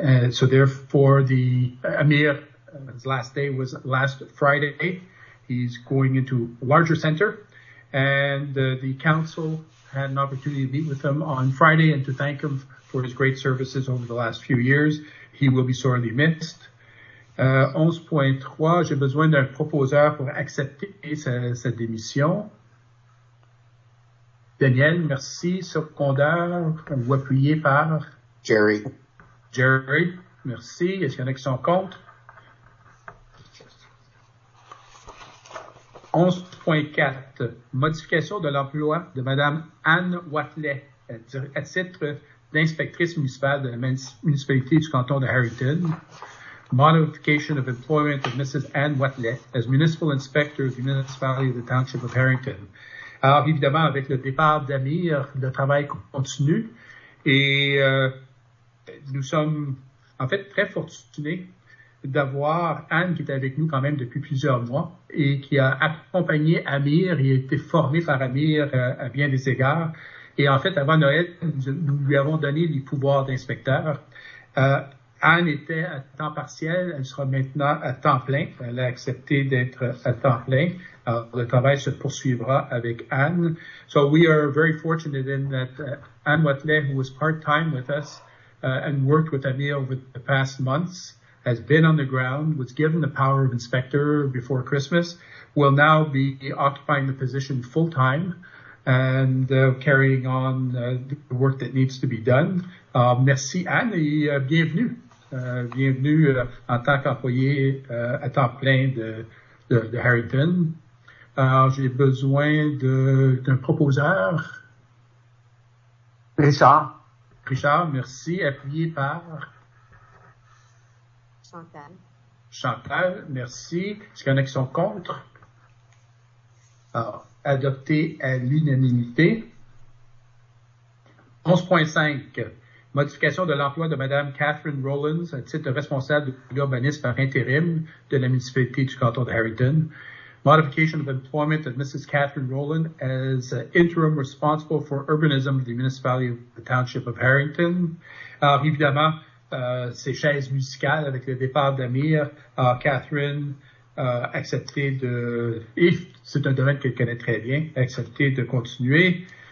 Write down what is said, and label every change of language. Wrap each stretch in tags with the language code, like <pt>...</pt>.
<en>So therefore, the Amir's last day was last Friday. He's going into a larger center, and the council had an opportunity to meet with him on Friday and to thank him for his great services over the last few years. He will be sorely missed.</en> <fr>11.3, j'ai besoin d'un proposeur pour accepter cette démission. Daniel, merci. Secondaire ou appuyé par? Jerry. Jerry, merci. Est-ce qu'il y en a qui sont contre? 11.4, modification de l'emploi de Mme Anne Watley à titre d'inspectrice municipale de la municipalité du canton de Harrington.</fr> <en>Modification of employment of Mrs. Anne Watley as municipal inspector of the municipality of the township of Harrington.</en> <fr>Alors, évidemment, avec le départ d'Amir, le travail continue et nous sommes, en fait, très fortunés d'avoir Anne qui est avec nous quand même depuis plusieurs mois et qui a accompagné Amir et a été formée par Amir à bien des égards. Et en fait, avant Noël, nous lui avons donné les pouvoirs d'inspecteur. Anne était à temps partiel, elle sera maintenant à temps plein. Elle a accepté d'être à temps plein. Alors, le travail se poursuivra avec Anne.</fr> <en>So we are very fortunate in that Anne Watley, who was part-time with us and worked with Amir over the past months, has been on the ground, was given the power of inspector before Christmas, will now be occupying the position full-time and carrying on the work that needs to be done.</en> <fr>Merci Anne et bienvenue. Bienvenue en tant qu'employé à temps plein de Harrington. Alors, j'ai besoin d'un proposeur. Richard. Richard, merci. Appuyé par? Chantal. Chantal, merci. Est-ce qu'il y en a qui sont contre? Alors, adopté à l'unanimité. 11.5. Modification de l'emploi de Mme Catherine Rollins, à titre de responsable de l'urbanisme par intérim de la municipalité du canton de Harrington.</fr> <en>Modification of employment of Mrs. Catherine Rowland as interim responsible for urbanism of the municipality of the township of Harrington.</en> <fr>Alors, évidemment, ces chaises musicales avec le départ d'Amir, Catherine a accepté de, et c'est un domaine qu'elle connaît très bien, a accepté de continuer.</fr>